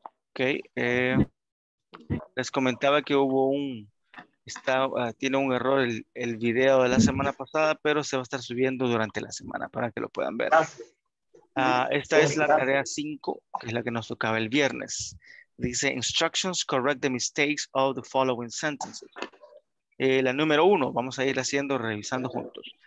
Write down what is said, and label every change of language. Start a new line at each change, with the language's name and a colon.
Spanish: Ok. Les comentaba que hubo un... tiene un error el video de la semana pasada, pero se va a estar subiendo durante la semana para que lo puedan ver. Esta es la tarea 5, que es la que nos tocaba el viernes. Dice,
English: instructions, correct the mistakes of the following sentences.
Spanish: La número 1, vamos a ir haciendo, revisando juntos.